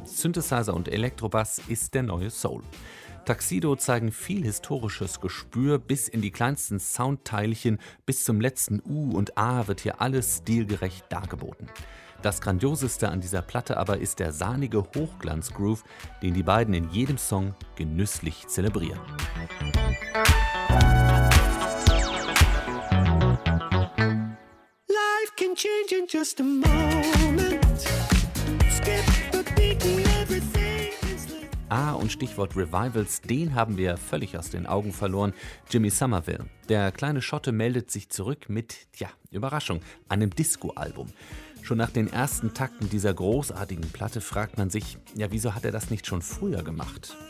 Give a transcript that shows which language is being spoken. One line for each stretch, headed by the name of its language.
German: Synthesizer und Elektrobass ist der neue Soul. Tuxedo zeigen viel historisches Gespür, bis in die kleinsten Soundteilchen, bis zum letzten U und A wird hier alles stilgerecht dargeboten. Das Grandioseste an dieser Platte aber ist der sahnige Hochglanz-Groove, den die beiden in jedem Song genüsslich zelebrieren.
English: Life can change in just a moment. Skip the beat and everything is like...
German: Ah, und Stichwort Revivals, den haben wir völlig aus den Augen verloren. Jimmy Somerville. Der kleine Schotte meldet sich zurück mit, tja, Überraschung, einem Disco-Album. Schon nach den ersten Takten dieser großartigen Platte fragt man sich, ja, wieso hat er das nicht schon früher gemacht?